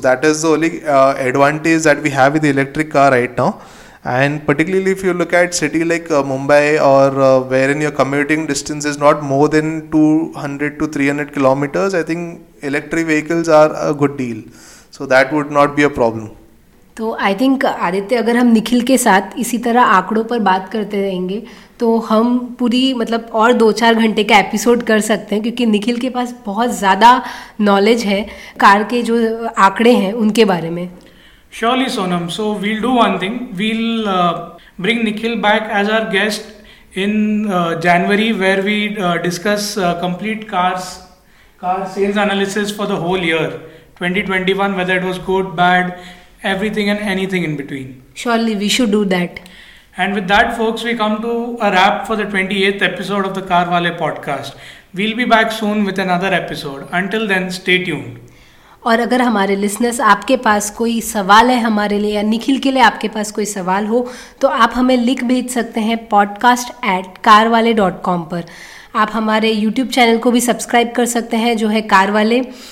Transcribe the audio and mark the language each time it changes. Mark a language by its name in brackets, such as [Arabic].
[English] That is the only advantage that we have with the electric car right now. And particularly if you look at city like Mumbai, or wherein your commuting distance is not more than 200 to 300 kilometers, I think electric vehicles are a good deal. So that would not be a problem. [Hindi] तो [English] I think [Hindi] Aditya, अगर हम निखिल के साथ इसी तरह आंकड़ों पर बात करते रहेंगे तो हम पूरी और दो चार घंटे का एपिसोड कर सकते हैं, क्योंकि निखिल के पास बहुत ज़्यादा नॉलेज है कार के जो आंकड़े हैं उनके बारे में. [English] Surely Sonam, so we'll do one thing, we'll bring Nikhil back as our guest in January, where we discuss complete car sales analysis for the whole year 2021, whether it was good bad, everything and anything in between. Surely we should do that. And with that, folks, we come to a wrap for the 28th episode of the CarWale podcast. We'll be back soon with another episode. Until then, stay tuned. [Hindi] और अगर हमारे listeners, आपके पास कोई सवाल है हमारे लिए या निखिल के लिए आपके पास कोई सवाल हो तो आप हमें लिख भेज सकते हैं podcast@carwale.com पर. आप हमारे यूट्यूब चैनल को भी सब्सक्राइब कर सकते हैं जो है CarWale.